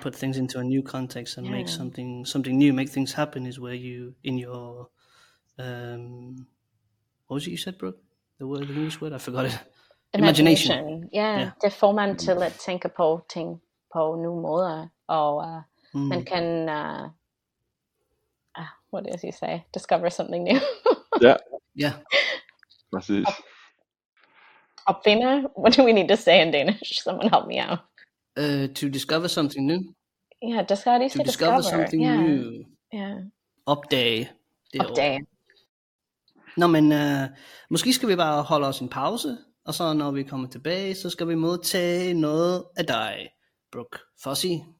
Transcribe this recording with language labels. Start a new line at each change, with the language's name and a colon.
English: Put things into a new context and make something new, make things happen is where you, in your what was it you said, Brooke? The word, the English word? I forgot it. Imagination. Yeah.
Danish: Det får man til at tænke på ting på nye måder. Og man kan,
English: what does he say? Discover something new. Yeah. Yeah. Opfinder? What do we need to say in Danish? Someone help me out. To discover something new. Yeah, discover. To discover something new. Yeah.
Danish: Opdage. Nå, men måske skal vi bare holde os en pause, og så når vi kommer tilbage, så skal vi modtage noget af dig, Brooke Fossey.